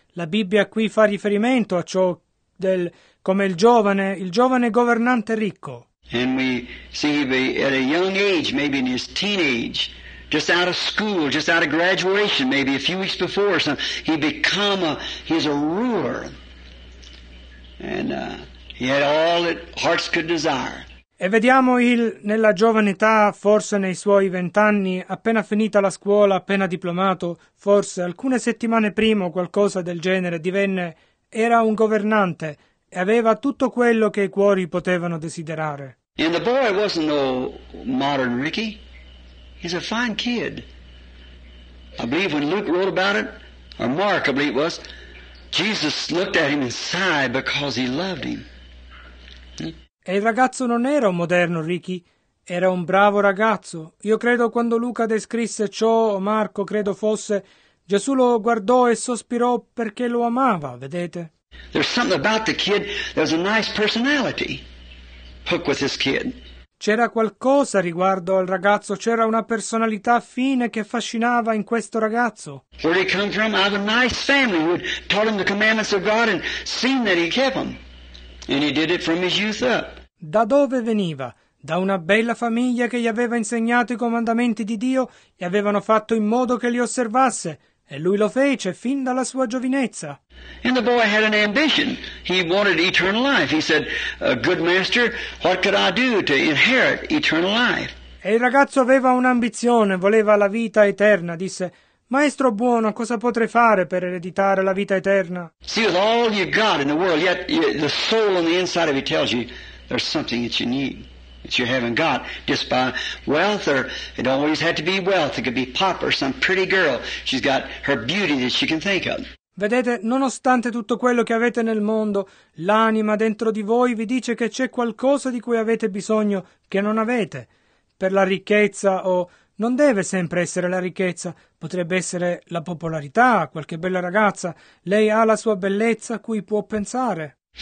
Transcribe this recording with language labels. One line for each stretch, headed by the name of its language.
Italian: La Bibbia qui fa riferimento a ciò del... come il giovane governante ricco.
English: And we see him at a young age, maybe in his teenage, just out of school, just out of graduation, maybe a few weeks before, so he become a, he's a ruler. And he had all that hearts could desire.
Italian: E vediamo nella giovane età, forse nei suoi 20 anni, appena finita la scuola, appena diplomato, forse alcune settimane prima o qualcosa del genere, era un governante. E aveva tutto quello che i cuori potevano desiderare.
English: And the boy wasn't no modern Ricky. He's a fine kid. I believe when Luke wrote about it, or Mark, I believe it was, Jesus looked at him and sighed because he loved him.
Italian: E il ragazzo non era un moderno Ricky. Era un bravo ragazzo. Io credo quando Luca descrisse ciò, o Marco credo fosse, Gesù lo guardò e sospirò perché lo amava, vedete?
English: There's something about the kid. There's a nice personality. Hook with this kid.
Italian: C'era qualcosa riguardo al ragazzo. C'era una personalità fine che affascinava in questo ragazzo.
English: Where did he come from? I have a nice family who taught him the commandments of God and seen that he kept them, and he did it from his youth up.
Italian: Da dove veniva? da una bella famiglia che gli aveva insegnato i comandamenti di Dio e avevano fatto in modo che li osservasse, e lui lo fece fin dalla sua giovinezza.
English: And the boy had an ambition. He wanted eternal life. He said, "Good master, what could I do to inherit eternal life?"
Italian: E il ragazzo aveva un'ambizione, voleva la vita eterna, disse: "Maestro buono, cosa potrei fare per ereditare la vita eterna?"
English: See, with all you've got in the world, yet the soul on the inside of you tells you there's something that you need, that you haven't got, just by wealth, or it always had to be wealth. It could be pop or some pretty girl. She's got her beauty that she can think of.
Italian: Vedete, nonostante tutto quello che avete nel mondo, l'anima dentro di voi vi dice che c'è qualcosa di cui avete bisogno che non avete. Per la ricchezza, o non deve sempre essere la ricchezza, potrebbe essere la popolarità, qualche bella ragazza, lei ha la sua bellezza a cui può pensare.